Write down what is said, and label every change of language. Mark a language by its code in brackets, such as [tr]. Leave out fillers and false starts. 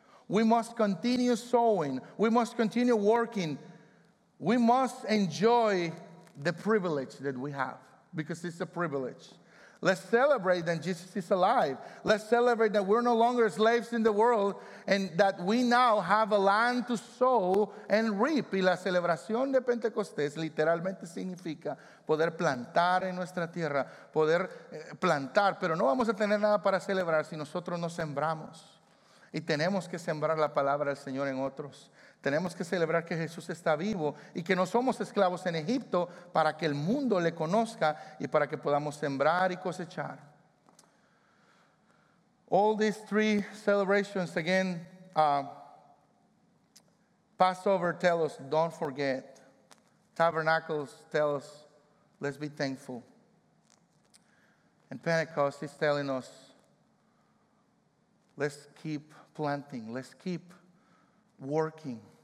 [en] We must continue sowing. We must continue working. We must enjoy the privilege that we have, because it's a privilege. Let's celebrate that Jesus is alive. Let's celebrate that we're no longer slaves in the world and that we now have a land to sow and reap. [es] Y la celebración de Pentecostés literalmente significa poder plantar en nuestra tierra, poder plantar. Pero no vamos a tener nada para celebrar si nosotros no sembramos. Y tenemos que sembrar la palabra del Señor en otros. Tenemos que celebrar que Jesús está vivo y que no somos esclavos en Egipto, para que el mundo le conozca y para que podamos sembrar y cosechar. [en] All these three celebrations, again, Passover tells us, don't forget. Tabernacles tells us, let's be thankful. And Pentecost is telling us, let's keep planting, let's keep working.